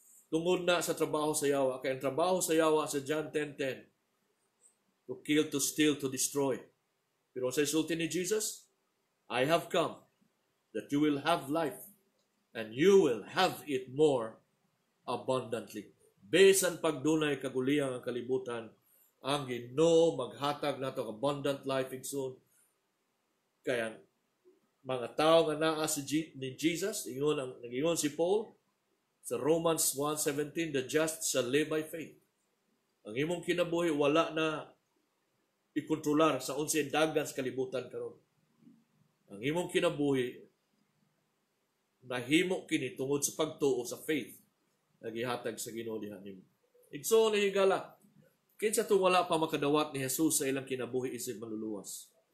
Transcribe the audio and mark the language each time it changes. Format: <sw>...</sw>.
<ceb>Tungod na sa trabaho sa yawa. Kaya ang trabaho sa yawa sa John 10:10.</ceb> <en>To kill, to steal, to destroy.</en> <ceb>Pero sa isulti ni Jesus,</ceb> <en>I have come that you will have life and you will have it more abundantly.</en> <ceb>Besan pagdunay kaguliyang ang kalibutan, ang Ginoo maghatag na itong abundant life igsoon. Kaya mga tao nga naa si Jesus, ingon si Paul,</ceb> <en>Sa Romans 1:17, the just shall live by faith.</en> <ceb>Ang imong kinabuhi, wala na ikontrolar sa unsay dagan sa kalibutan karon. Ang imong kinabuhi, nahimo kini tungod sa pagtuo sa faith na gihatag sa Ginoo diha nimo. Igsoon ni higala. Kinsa to wala pa makadawat ni Jesus sa ilang kinabuhi isip maluluwas.</ceb>